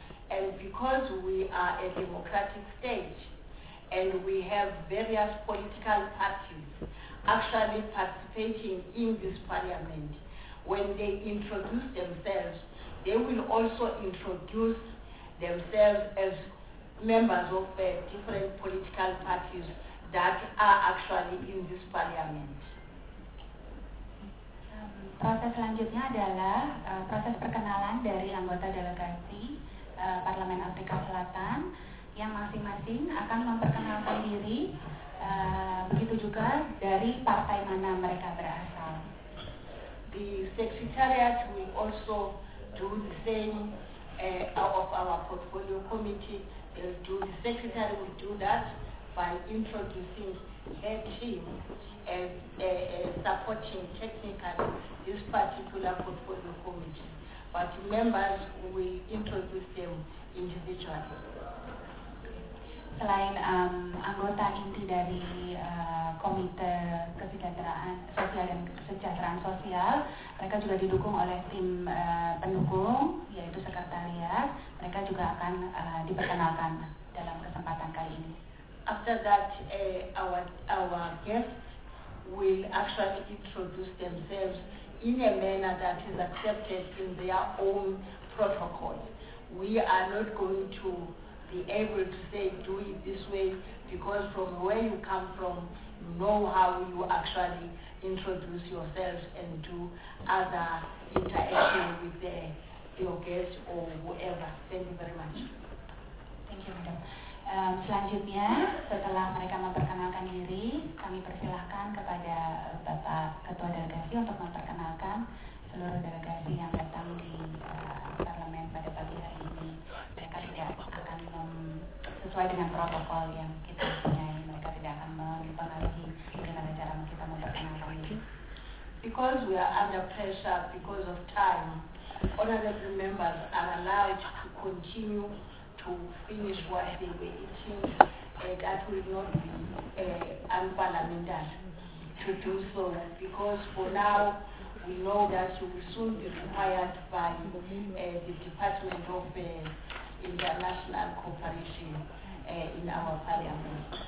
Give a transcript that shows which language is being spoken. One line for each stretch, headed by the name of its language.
English: And because we are a democratic state and we have various political parties actually participating in this parliament, when they introduce themselves, they will also introduce themselves as members of different political parties that are actually in this parliament.
Indonesian: Proses selanjutnya adalah proses perkenalan dari anggota delegasi Parlemen Afrika Selatan yang masing-masing akan memperkenalkan diri, begitu juga dari partai mana mereka berasal.
English: The secretariat will also do the same of our portfolio committee. They'll do, the secretary will do that by introducing her team as supporting technically this particular portfolio committee. But members will introduce them individually.
Indonesian: Selain anggota inti dari Komite Kesejahteraan Sosial dan Kesejahteraan Sosial, mereka juga didukung oleh tim pendukung, yaitu sekretariat. Mereka juga akan diperkenalkan dalam kesempatan kali ini.
English: After that, our guests will actually introduce themselves in a manner that is accepted in their own protocols. We are not going to be able to say do it this way, because from where you come from, you know how you actually introduce yourself and do other interaction with your guest or whoever. Thank you very much. Thank you, madam.
Indonesian: Selanjutnya, setelah mereka memperkenalkan diri, kami persilahkan kepada Bapak Ketua Delegasi untuk memperkenalkan seluruh delegasi yang datang di Parlemen pada pagi hari ini. Mereka tidak akan sesuai dengan protokol yang kita punya. Mereka tidak akan mempengaruhi bagaimana cara kita memperkenalkan diri.
English: Because we are under pressure because of time, honorable members are allowed to continue to finish what they were eating. That will not be unparliamentary to do so, because for now, we know that you will soon be required by the Department of International Cooperation in our parliament.